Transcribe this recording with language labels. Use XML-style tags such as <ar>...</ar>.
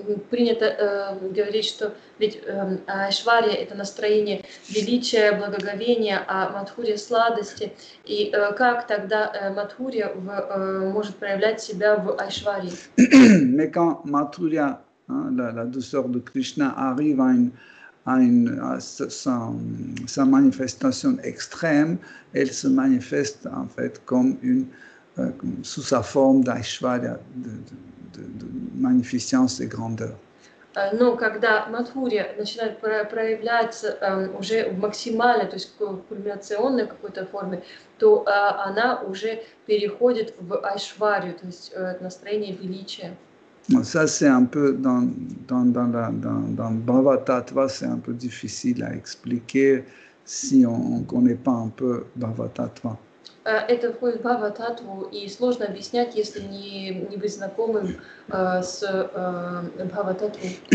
<ru>Принято говорить, что ведь Айшварья – это настроение величия, благоговения, а Мадхурья – сладости. И как тогда Мадхурья может проявлять себя в Айшварье?</ru> <fr>Mais quand Mathurya, la douceur de Krishna, arrive à sa manifestation extrême, elle se manifeste en fait comme une sous sa forme d'Aishwarya, de magnificence et grandeur.</fr> <ru>Но когда Мадхурья начинает проявляться уже в максимальной, то есть в кульминационной какой-то форме, то она уже переходит в Айшварью, то есть настроение величия.</ru> <fr>Ça c'est un peu dans Bhavatattva, c'est un peu difficile à expliquer si on connaît pas un peu Bhavatattva.</fr> <ru>Это входит в Бхава-таттву, и сложно объяснять, если не быть знакомым с Бхава-таттву.</ru>